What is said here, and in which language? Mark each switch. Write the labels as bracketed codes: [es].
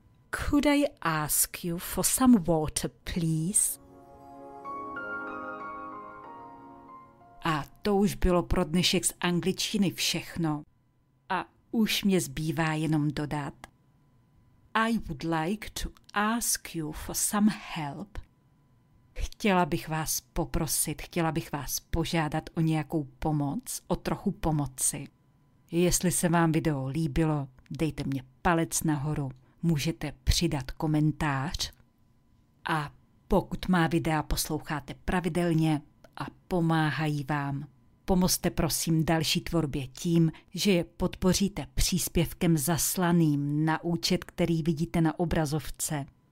[en] Could I ask you for some water, please? [cs] A to už bylo pro dnešek z angličtiny všechno. A už mě zbývá jenom dodat. [en] I would like to ask you for some help. [cs] Chtěla bych vás poprosit, chtěla bych vás požádat o nějakou pomoc, o trochu pomoci. Jestli se vám video líbilo, dejte mě palec nahoru, můžete přidat komentář. A pokud má videa posloucháte pravidelně a pomáhají vám, pomozte prosím další tvorbě tím, že je podpoříte příspěvkem zaslaným na účet, který vidíte na obrazovce.